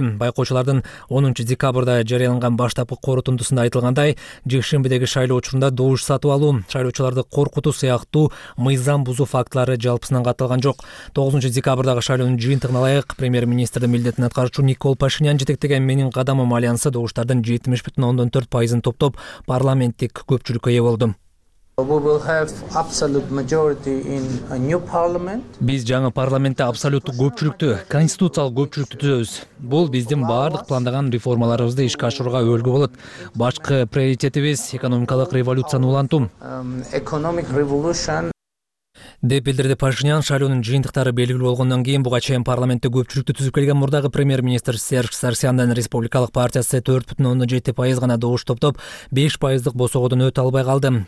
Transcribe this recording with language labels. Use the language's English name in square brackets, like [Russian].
[Kyrgyz] Байкоочулардын 10 декабрда жарыяланган баштапкы корутундусунда айтылгандай, жекшембидеги шайлоо учурунда добуш сатып алуу, шайлоочуларды коркутуу сыяктуу мыйзам бузуу фактылары жалпысынан катталган жок. 9 декабрдагы шайлоонун жыйынтыгына ылайык, премьер-министрдин милдетин аткаруучу Никол Пашинян жетектеген Менин кадамым альянсы добуштардын 70.14% топтоп парламенттик көпчүлүккө ээ болду. [English] We will have absolute majority in a new parliament. [Kyrgyz] Биз жаңы парламентте абсолюттук көпчүлүктү, конституциялык көпчүлүктү түзөбүз. Бул биздин баардык пландаган реформаларыбызды ишке ашырууга өлгө болот. Башкы приоритетибиз экономикалык революцияны улантуу. [English] Economic revolution. [Kyrgyz] Деп билдирди Пашинян. Шайлоонун жыйынтыктары белгилүү болгондон кийин буга чейин парламентте көпчүлүктү түзүп келген мурдагы премьер-министр Серж Сарсяндын республикалык партиясы 4.7% гана добуш топтоп 5% босогодон өтө албай калды.